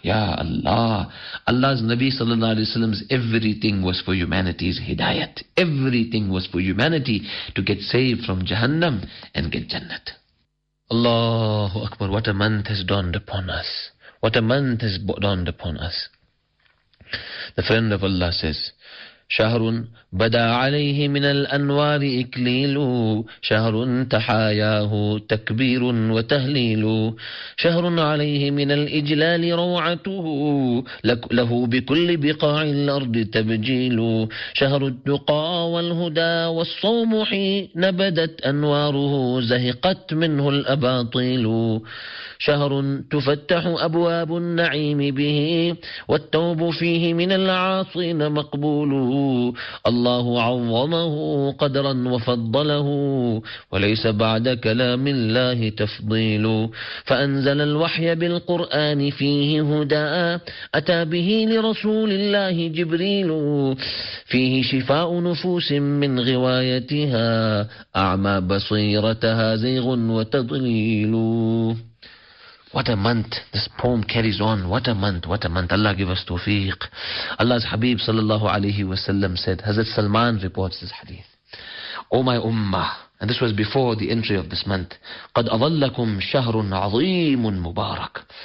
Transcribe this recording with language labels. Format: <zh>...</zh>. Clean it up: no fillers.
<en>Ya Allah, Allah's Nabi sallallahu alayhi wasallam's everything was for humanity's hidayat. Everything was for humanity to get saved from Jahannam and get Jannat. Allahu Akbar, what a month has dawned upon us. What a month has dawned upon us. The friend of Allah says,</en> <ar>شهر بدا عليه من الأنوار إكليل، شهر تحاياه تكبير وتهليل، شهر عليه من الإجلال روعته، له بكل بقاع الأرض تبجيل، شهر التقى والهدى والصوم حين بدت أنواره زهقت منه الأباطيل، شهر تفتح أبواب النعيم به والتوب فيه من العاصين مقبول، الله عظمه قدرا وفضله وليس بعد كلام الله تفضيل، فأنزل الوحي بالقرآن فيه هدى أتى به لرسول الله جبريل، فيه شفاء نفوس من غوايتها أعمى بصيرتها زيغ وتضليل.</ar> <en>What a month this poem carries on. What a month, what a month. Allah give us tawfiq. Allah's Habib sallallahu alayhi wa sallam said, Hazrat Salman reports this hadith. O my ummah, and this was before the entry of this month,</en> <ar>قَدْ أَظَلَّكُمْ شَهْرٌ عَظِيمٌ مُبَارَكٌ.</ar>